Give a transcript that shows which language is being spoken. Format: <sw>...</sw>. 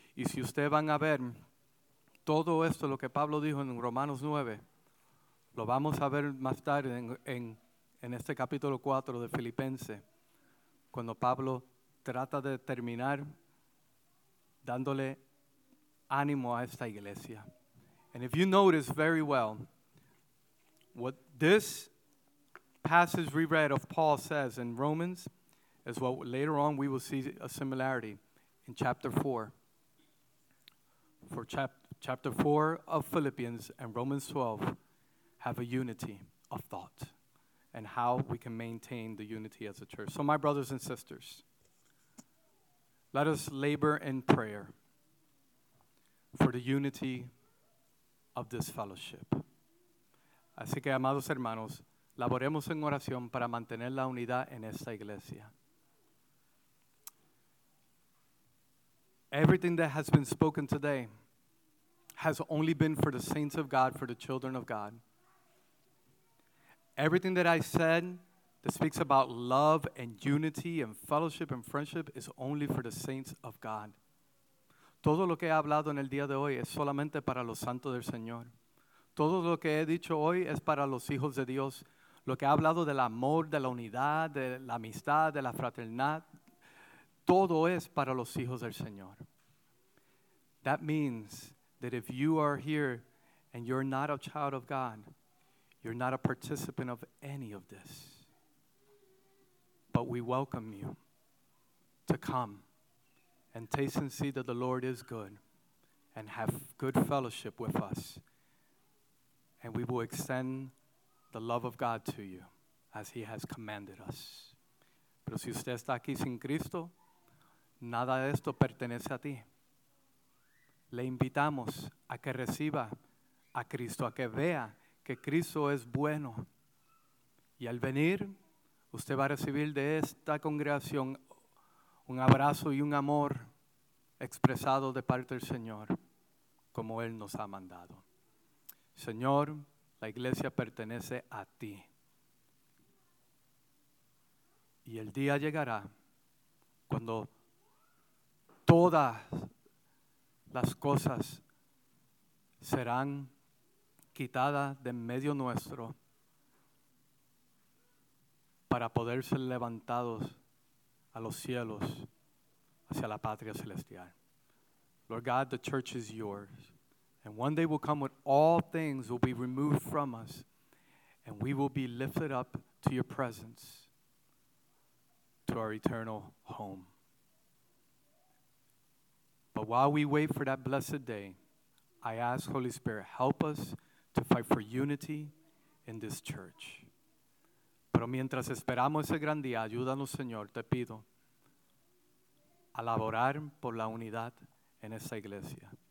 <es>Y si usted van a ver todo esto, lo que Pablo dijo en Romanos 9, lo vamos a ver más tarde en este capítulo 4 de Filipenses. Cuando Pablo trata de terminar dándole ánimo a esta iglesia.</es> <en>And if you notice very well, what this passage we read of Paul says in Romans is what later on we will see a similarity in chapter 4. For chapter 4 of Philippians and Romans 12 have a unity of thought. And how we can maintain the unity as a church. So my brothers and sisters, let us labor in prayer for the unity of this fellowship.</en> <es>Así que, amados hermanos, laboremos en oración para mantener la unidad en esta iglesia.</es> <en>Everything that has been spoken today has only been for the saints of God, for the children of God. Everything that I said that speaks about love and unity and fellowship and friendship is only for the saints of God.</en> <es>Todo lo que he hablado en el día de hoy es solamente para los santos del Señor. Todo lo que he dicho hoy es para los hijos de Dios. Lo que he hablado del amor, de la unidad, de la amistad, de la fraternidad, todo es para los hijos del Señor.</es> <en>That means that if you are here and you're not a child of God, you're not a participant of any of this. But we welcome you to come and taste and see that the Lord is good and have good fellowship with us. And we will extend the love of God to you as he has commanded us.</en> <es>Pero si usted está aquí sin Cristo, nada de esto pertenece a ti. Le invitamos a que reciba a Cristo, a que vea que Cristo es bueno. Y al venir, usted va a recibir de esta congregación un abrazo y un amor expresado de parte del Señor, como Él nos ha mandado. Señor, la iglesia pertenece a ti. Y el día llegará cuando todas las cosas serán quitadas de en medio nuestro para poder ser levantados a los cielos hacia la patria celestial.</es> <en>Lord God, the church is yours. And one day will come when all things will be removed from us and we will be lifted up to your presence, to our eternal home. But while we wait for that blessed day, I ask, Holy Spirit, help us to fight for unity in this church.</en> <es>Pero mientras esperamos ese gran día, ayúdanos, Señor, te pido, a laborar por la unidad en esta iglesia.</es>